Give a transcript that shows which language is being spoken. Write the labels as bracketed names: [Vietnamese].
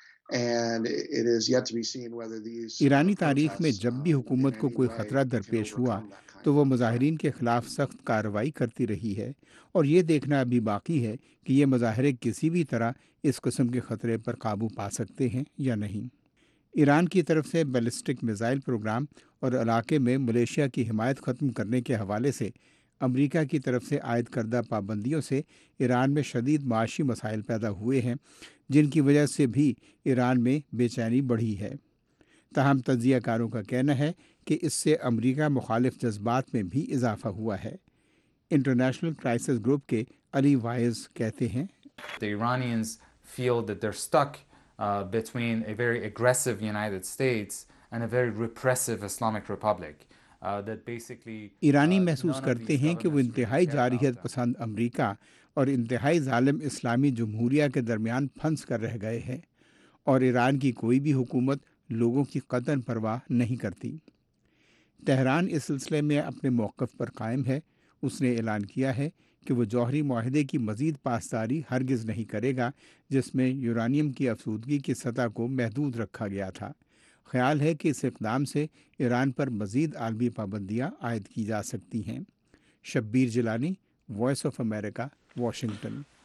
[English] And it is yet to be seen whether these [Urdu] ایرانی تاریخ میں جب بھی حکومت کو کوئی خطرہ درپیش ہوا تو وہ مظاہرین کے خلاف سخت کارروائی کرتی رہی ہے، اور یہ دیکھنا ابھی باقی ہے کہ یہ مظاہرے کسی بھی طرح اس قسم کے خطرے پر قابو پا سکتے ہیں یا نہیں۔ ایران کی طرف سے بیلسٹک میزائل پروگرام اور علاقے میں ملیشیا کی حمایت ختم کرنے کے حوالے سے امریکہ کی طرف سے عائد کردہ پابندیوں سے ایران میں شدید معاشی مسائل پیدا ہوئے ہیں، جن کی وجہ سے بھی ایران میں بے چینی بڑھی ہے۔ تاہم تجزیہ کاروں کا کہنا ہے کہ اس سے امریکہ مخالف جذبات میں بھی اضافہ ہوا ہے۔ انٹرنیشنل کرائسس گروپ کے علی وائز کہتے ہیں، [English] The Iranians feel that they're stuck between a very aggressive United States and a very repressive Islamic Republic. [Urdu] ایرانی محسوس کرتے ہیں کہ وہ انتہائی جارحیت پسند امریکہ اور انتہائی ظالم اسلامی جمہوریہ کے درمیان پھنس کر رہ گئے ہیں اور ایران کی کوئی بھی حکومت لوگوں کی قطعاً پرواہ نہیں کرتی۔ تہران اس سلسلے میں اپنے موقف پر قائم ہے۔ اس نے اعلان کیا ہے کہ وہ جوہری معاہدے کی مزید پاسداری ہرگز نہیں کرے گا، جس میں یورانیم کی افسودگی کی سطح کو محدود رکھا گیا تھا۔ خیال ہے کہ اس اقدام سے ایران پر مزید عالمی پابندیاں عائد کی جا سکتی ہیں۔ Shabbir Jilani, voice of America, Washington.